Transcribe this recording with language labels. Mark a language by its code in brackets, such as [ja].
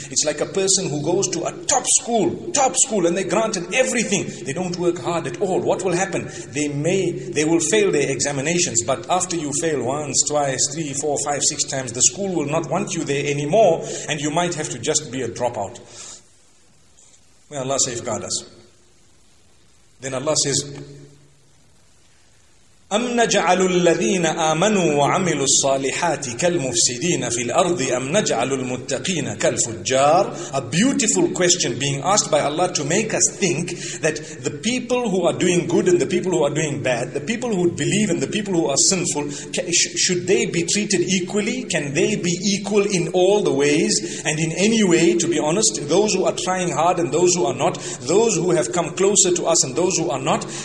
[en] It's like a person who goes to a top school, and they're granted everything. They don't work hard at all. What will happen? They will fail their examinations. But after you fail once, twice, three, four, five, six times, the school will not want you there anymore, and you might have to just be a dropout. May Allah safeguard us. Then Allah says, [ar] أَمْ نَجْعَلُ الَّذِينَ آمَنُوا وَعَمِلُوا الصَّالِحَاتِ كَالْمُفْسِدِينَ فِي الْأَرْضِ أَمْ نَجْعَلُ الْمُتَّقِينَ كَالْفُجَّارِ. [en] A beautiful question being asked by Allah to make us think that the people who are doing good and the people who are doing bad, the people who believe and the people who are sinful, should they be treated equally? Can they be equal in all the ways and in any way, to be honest, those who are trying hard and those who are not, those who have come closer to us and those who are not?